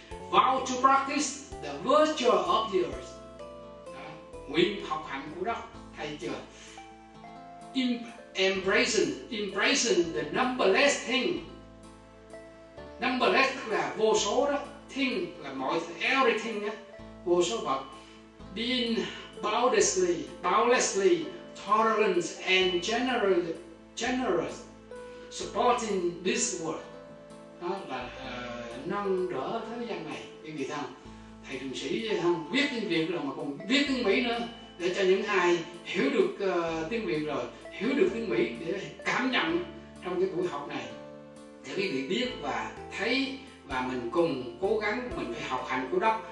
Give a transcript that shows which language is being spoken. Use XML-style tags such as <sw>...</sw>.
<en>Vow to practice the virtue of yours.</en> <vi>Nguyện học hạnh của đất, hay chưa?</vi> <en>Embracing the numberless thing.</en> <vi>Numberless là vô số đó, thing là mọi thứ, everything đó, vô số vật.</vi> <en>Being boundlessly tolerant and generous, supporting this world.</en> <vi>Đó là nâng đỡ thế gian này. Những người thân, thầy thượng sĩ không biết tiếng Việt rồi mà còn biết tiếng Mỹ nữa, để cho những ai hiểu được tiếng Việt rồi hiểu được tiếng Mỹ để cảm nhận trong cái buổi học này, để quý vị biết và thấy và mình cùng cố gắng, mình phải học hạnh của đất.</vi>